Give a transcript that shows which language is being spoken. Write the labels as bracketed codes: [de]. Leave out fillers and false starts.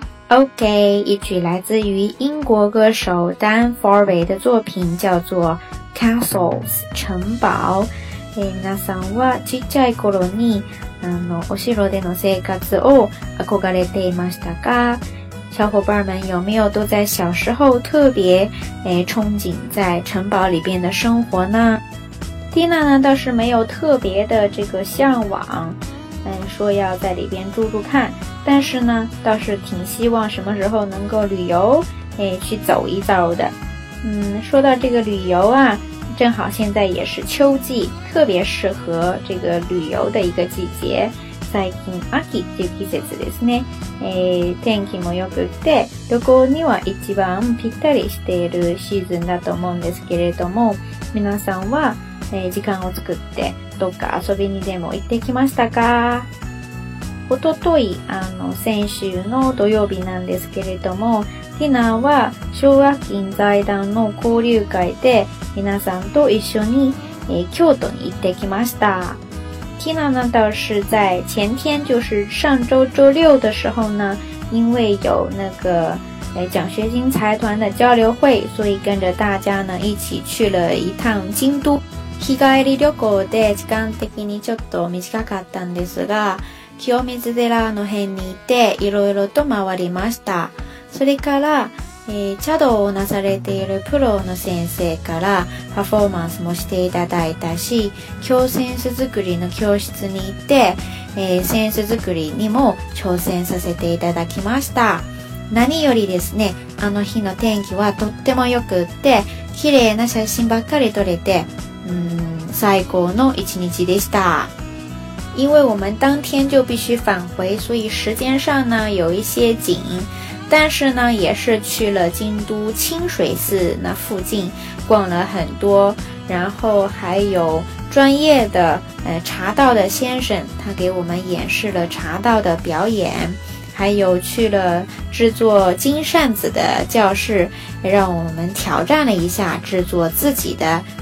[zh] Okay, 一曲来自于英国歌手 Dan Forway 的作品叫做 Castles 城堡。 [ja] 皆さんは小さい頃にお城での生活を憧れていましたか？ [zh] 小伙伴们有没有都在小时候特别憧憬在城堡里边的生活呢？ Tina 呢倒是没有特别的这个向往，说要在里边住住看，但是呢倒是挺希望什么时候能够旅游去走一遭的。说到这个旅游啊，正好现在也是秋季，特别适合这个旅游的一个季节。 [ja] 最近秋っていう季節ですね。天気も良くて旅行には一番ぴったりしているシーズンだと思うんですけれども、皆さんは時間を作ってどっか遊びにでも行ってきましたか？おととい、先週の土曜日なんですけれども、ティナは昭和金財団の交流会で皆さんと一緒に、京都に行ってきました。 [zh] ティナ呢倒是在前天、就是上周周六的时候呢、因为有那个、奖学金财团的交流会、所以跟着大家呢、一起去了一趟京都。 [ja] 日帰り旅行で時間的にちょっと短かったんですが、清水寺の辺にいていろいろと回りました。それから、茶道をなされているプロの先生からパフォーマンスもしていただいたし、京扇子作りの教室に行って、扇子作りにも挑戦させていただきました。何よりですね、あの日の天気はとっても良くって綺麗な写真ばっかり撮れて、最高の一日でした。 [zh] 因为我们当天就必须返回，所以时间上呢有一些紧，但是呢也是去了京都清水寺那附近逛了很多，然后还有专业的茶道的先生，他给我们演示了茶道的表演，还有去了制作金扇子的教室，让我们挑战了一下制作自己的。